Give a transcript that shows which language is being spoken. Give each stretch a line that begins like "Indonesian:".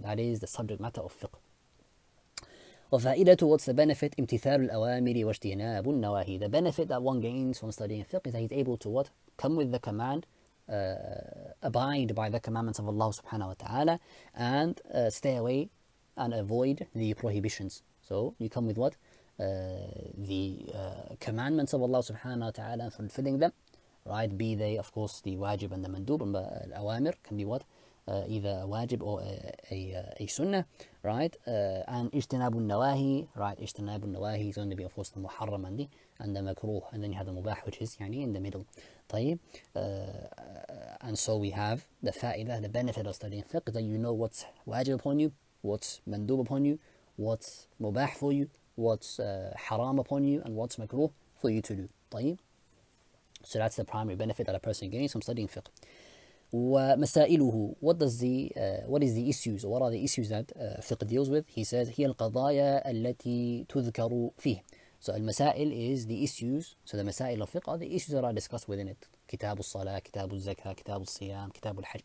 English: That is the subject matter of fiqh. وفائدته, what's the benefit?
Arabic: امتثال الأوامر واجتناب النواهي.
English: The benefit that one gains from studying fiqh is that he's able to what? Come with the command, abide by the commandments of Allah subhanahu wa ta'ala, and stay away and avoid the prohibitions. So you come with what? The commandments of Allah subhanahu wa ta'ala and fulfilling them. Right, be they of course the wajib and the mandub, and al-awamir can be what? Either a wajib or a sunnah, right? And ijtinabun nawahi, right? Ijtinabun nawahi is going to be of course the muharram and the makruh, and then you have the mubah, which is yani in the middle.
Arabic: طيب.
English: And so we have the fa'idah, the benefit of studying fiqh, that you know what's wajib upon you, what's mandub upon you, what's mubah for you, what's haram upon you, and what's makruh for you to do. طيب. So that's the primary benefit that a person gains from studying fiqh.
Arabic: ومسائله.
English: What does the what is the issues, what are the issues that Fiqh deals with? He says
Arabic: هي القضايا التي تذكر فيه.
English: So المسائل is the issues. So the مسائل of Fiqh are the issues that are discussed within it.
Arabic: كتاب الصلاة, كتاب الزكاة, كتاب الصيام, كتاب الحج.